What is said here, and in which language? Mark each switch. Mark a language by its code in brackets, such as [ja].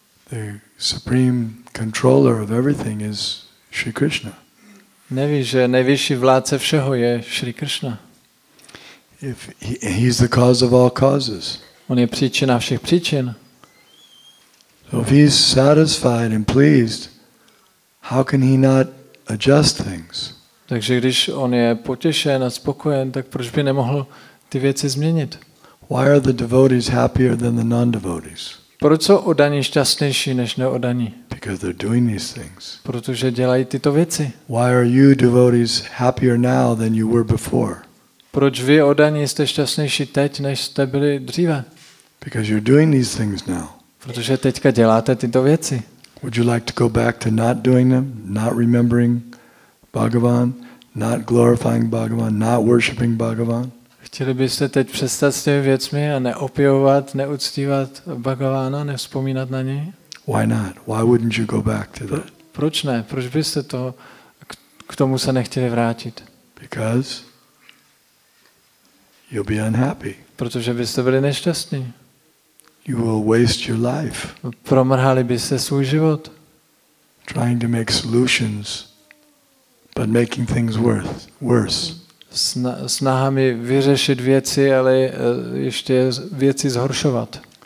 [en] The supreme controller of everything is Sri Krishna. [cs] Neví, že nejvyšší vládce všeho je Sri Krishna. [en] If he is the cause of all causes. [cs] On je příčina všech příčin. [en] So if he's satisfied and pleased, how can he not adjust things? [cs] Takže když on je potěšen a spokojen, tak proč by nemohl ty věci změnit? [en] Why are the devotees happier than the non-devotees? [cs] Proč jsou oddaní šťastnější než neoddaní? [en] Because they're doing these things. [cs] Protože dělají tyto věci. [en] Why are you devotees happier now than you were before? [cs] Proč vy oddaní jste šťastnější teď než jste byli dříve? [en] Because you're doing these things now. [cs] Protože teďka děláte tyto věci. [en] Would you like to go back to not doing them, not remembering Bhagavan, not glorifying Bhagavan, not worshiping Bhagavan? [cs] Chtěli byste teď přestat s těmi věcmi a neopěvovat, neuctívat Bhagavana, nevzpomínat na něj? [en] Why not? Why wouldn't you go back to that? [cs] Proč ne? Proč byste to k tomu se nechtěli vrátit? [en] Because you'll be unhappy. [cs] Protože byste byli nešťastní. [en] You will waste your life. [cs] Promrhali byste svůj život. [en] Trying to make solutions, but making things worse. [cs] Snahami vyřešit věci, ale ještě věci zhoršovat.